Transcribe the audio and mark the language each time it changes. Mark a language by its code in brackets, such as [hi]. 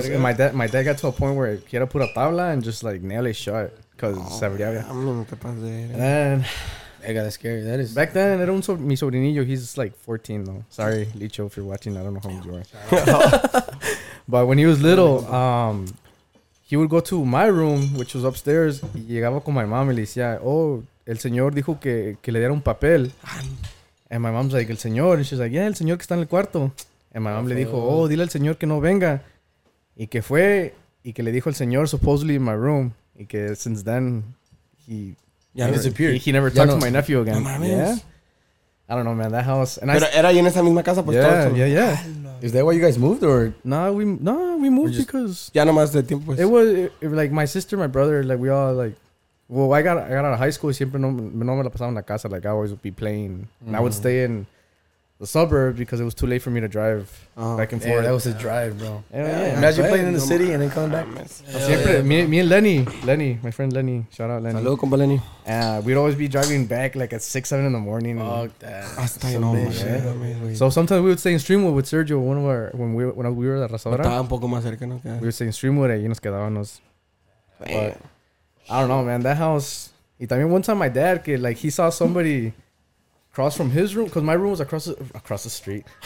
[en] And my dad got to a point where he had to put a tabla and just like nail it shut because [es] se abría. [en] I got scared. That is back then. I don't know [es] mi sobrinillo. [en] He's like 14 though. Sorry, Licho, if you're watching. I don't know how old you are. But when he was little, he would go to my room, which was upstairs. [es] Y llegaba con [en] my mom [es] y le decía, oh, el señor dijo que le diera un papel. [en] And my mom's like, [es] el señor. [en] And she's like, yeah, [es] el señor que está en el cuarto. [en] And my mom [es] le dijo, oh, dile al señor que no venga. Y que fue y que le dijo el señor [en] supposedly in my room. [es] Y que [en] since then he. Yeah, he disappeared. He never talked to my nephew again. [es] No mames. [en] Yeah, I don't know, man. That house. [es] And pero era en esa misma casa, pues. [en] Yeah, yeah. Is that why you guys moved or? No, we moved just, because. [es] Ya no más de tiempo. Pues. [en] It was like my sister, my brother, like we all like. Well, I got out of high school. [es] Siempre no me la pasaba en la casa. [en] Like I always would be playing, and I would stay in the suburb because it was too late for me to drive back and forth. Yeah, that was his drive, bro. Yeah. Imagine playing in the city and then coming back. Me and Lenny, my friend Lenny. Shout out, Lenny. Hello, compa Lenny. We'd always be driving back like at 6, 7 in the morning. Fuck that. Hasta so, man, yeah. So sometimes we would stay in Streamwood with Sergio, when we were at La Razadora. [es] Estaba un poco más cerca, ¿no? [en] We would stay in Streamwood [es] y nos quedábamos. [en] But I don't know, man. That house. [es] Y también [en] one time my dad, que, like he saw somebody... Across from his room, because my room was across the street.